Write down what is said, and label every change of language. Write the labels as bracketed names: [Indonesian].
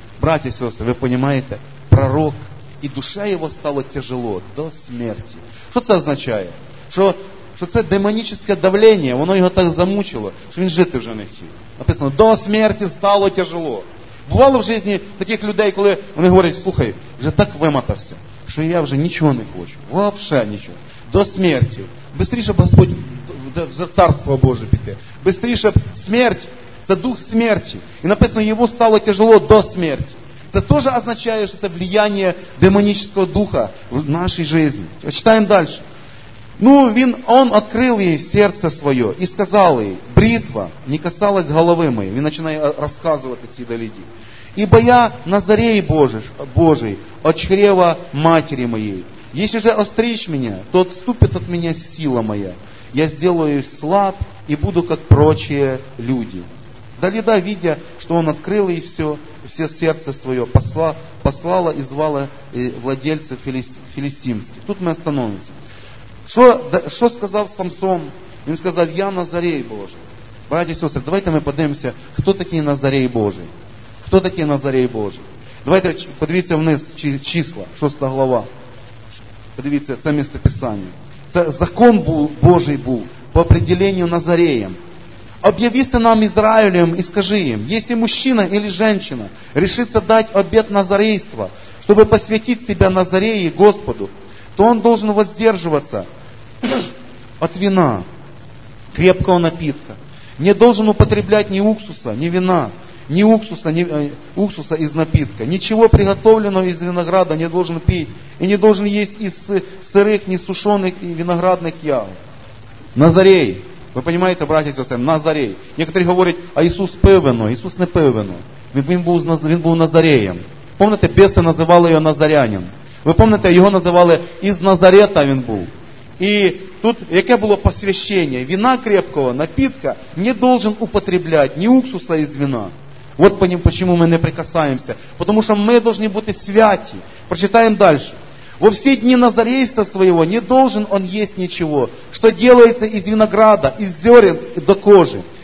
[Russian] Братья и сестры, вы понимаете, пророк, и душе его стало тяжело до смерти. Что это означает? Что это демоническое давление, оно его так замучило, что он жить уже не хотел. Написано, до смерти стало тяжело. Бывало в жизни таких людей, когда они говорят, слушай, уже так вымотался. [Ukrainian] Що я вже нічого не хочу. Вообще нічого. До смерті. Бистріше б Господь за царство Боже піти. Бистріше б смерть. Це дух смерті. І написано, йому стало тяжело до смерті. Це теж означає, що це влияння демонічного духа в нашій житті. Читаємо далі. Ну, он відкрив їй серце своє і сказав їй, бритва не касалась голови моєї. Він починає розказувати ці далі. [Russian] Ибо я Назарей Божий, от чрева матери моей. Если же остричь меня, то отступит от меня сила моя. Я сделаюсь слаб и буду, как прочие люди. Далида, видя, что он открыл ей все сердце свое, послала и звала владельцев филистимских. Тут мы остановимся. Что сказал Самсон? Он сказал, я Назарей Божий. Братья и сестры, давайте мы поднимемся, кто такие Назарей Божий? [Ukrainian] Хто такий Назарей Божий? Давайте подивіться вниз числа, 6 глава. Подивіться, це місце Писання. Це закон Божий був по определенню Назареєм. Об'явіся нам, Ізраїлем, і скажи їм, якщо мужчина или женщина рішиться дати обет Назарейства, щоб посвятити себе Назареї Господу, [Russian] то он должен воздерживаться от вина, крепкого напитка. Не должен употреблять ни уксуса, ни вина. Ни уксуса, ни уксуса из напитка. Ничего приготовленного из винограда не должен пить. И не должен есть из сырых, не сушеных и виноградных ягод. Назарей. Вы понимаете, братья и сестры, Назарей. Некоторые говорят, а Иисус пив вино. Иисус не пив вино. Він був Назареем. Помните, бесы называли его Назарянин. Вы помните, его называли из Назарета він був. И тут, яке було посвящение? Вина крепкого, напитка не должен употреблять ни уксуса из вина. Вот почему мы не прикасаемся. Потому что мы должны быть святы. Прочитаем дальше. Во все дни назарейства своего не должен он есть ничего, что делается из винограда, из зерен и до кожи.